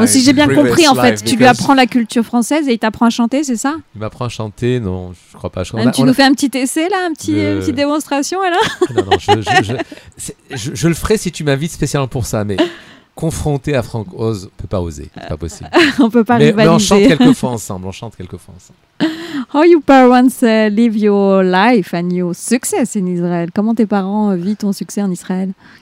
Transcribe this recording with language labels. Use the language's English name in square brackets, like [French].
[French] bon, si j'ai bien compris, en fait, tu lui apprends la culture française et il t'apprend à chanter, c'est ça? Il m'apprend à chanter, non, je crois pas. Tu nous fais un petit essai, là, une petite démonstration, là? Non, je le ferai si tu m'invites spécialement pour ça, mais... Confronté à Franck Oz, on ne peut pas oser, c'est pas possible. On ne peut pas rivaliser. Mais on chante quelques fois ensemble, [English] How your parents live your life and your success in Israel? [French] Comment tes parents vivent ton succès en Israël?